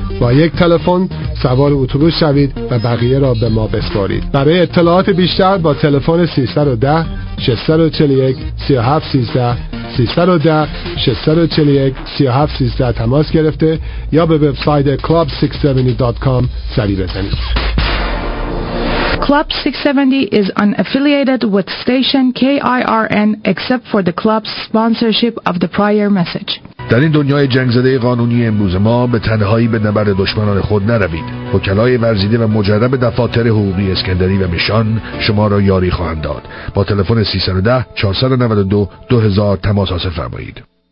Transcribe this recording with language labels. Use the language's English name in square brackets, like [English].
[Persian] با یک تلفن سوار اتوبوس شوید و بقیه را به ما بسپارید. برای اطلاعات بیشتر با تلفن 310-641-3713 تماس گرفته یا به وبسایت club670.com سری بزنید. [English] Club 670 is unaffiliated with station KIRN except for the club's sponsorship of the prior message. [Persian] در این دنیای جنگ‌زده قانونی امروز ما به تنهایی به نبرد دشمنان خود نروید. وکلای ورزیده و مجرب دفاتر حقوقی اسکندری و میشان شما را یاری خواهند داد. با تلفن 310-492-2000 تماس حاصل فرمایید.